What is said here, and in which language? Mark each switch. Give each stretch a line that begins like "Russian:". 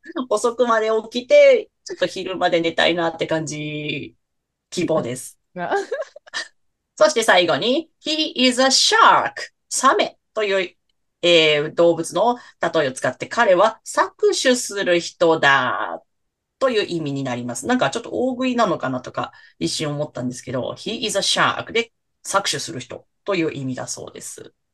Japanese: 遅くまで起きて、ちょっと昼まで寝たいなって感じ、希望です。そして最後に、
English: He is a shark.
Japanese: サメという、動物の例えを使って、彼は搾取する人だという意味になります。なんかちょっと大食いなのかなとか一瞬思ったんですけど、
English: He is a shark
Japanese: で搾取する人。という意味だそうです。